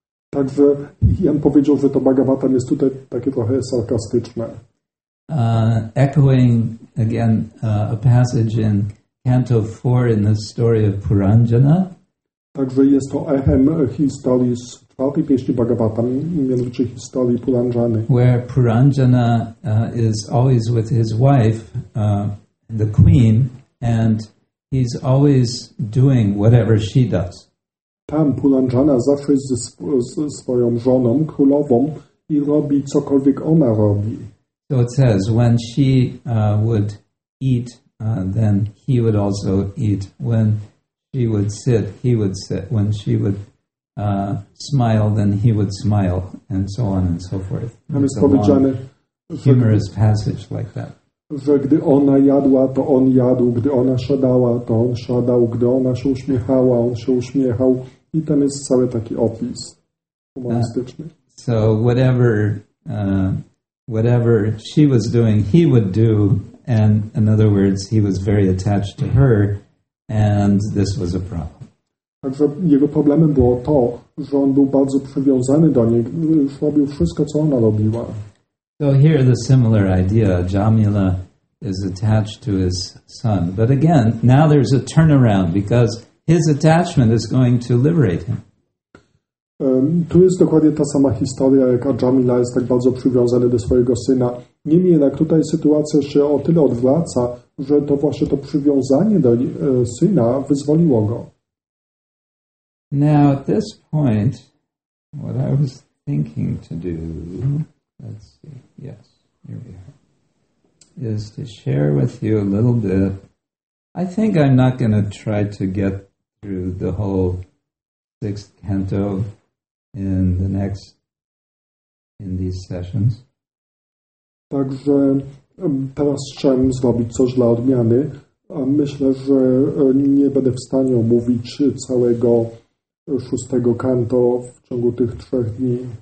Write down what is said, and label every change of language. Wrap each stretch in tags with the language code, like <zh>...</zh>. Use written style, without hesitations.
<pl>Także Jan powiedział, że to Bhagavatam jest tutaj takie trochę sarkastyczne.</pl> <en>Echoing again a passage in Canto 4 in the story of Puranjana.</en> <pl>Także jest to echem historii z czwartej pieśni Bhagavatam, mianowicie historii Puranjany.</pl> <en>Where Puranjana is always with his wife, the queen, and he's always doing whatever she does.</en> <pl>Tam Puranjana zawsze jest ze swoją żoną, królową, i robi cokolwiek ona robi.</pl> <en>So it says, when she would eat, then he would also eat. When she would sit, he would sit. When she would smile, then he would smile, and so on and so forth. It's a long, humorous passage like that.</en> <pl>Że gdy ona jadła, to on jadł, gdy ona siadała, to on siadał, gdy ona się uśmiechała, on się uśmiechał. I tam jest cały taki opis humorystyczny.</pl> <en>So whatever whatever she was doing, he would do. And in other words, he was very attached to her, and this was a problem.</en> <pl>Także jego problemem było to, że on był bardzo przywiązany do niej, robił wszystko, co ona robiła.</pl> <en>So here the similar idea. Jamila is attached to his son. But again, now there's a turnaround because his attachment is going to liberate him.</en> <pl>Tu jest dokładnie ta sama historia, jak Jamila jest tak bardzo przywiązany do swojego syna. Niemniej jednak tutaj sytuacja się o tyle odwraca, że to właśnie to przywiązanie do syna wyzwoliło go.</pl> <en>Now at this point, what I was thinking to do, let's see, yes, here we are, is to share with you a little bit. I think I'm not going to try to get through the whole sixth canto in these sessions.</en> <pl>Także teraz chciałem zrobić coś dla odmiany. Myślę, że nie będę w stanie omówić całego szóstego kanto w ciągu tych trzech dni.</pl>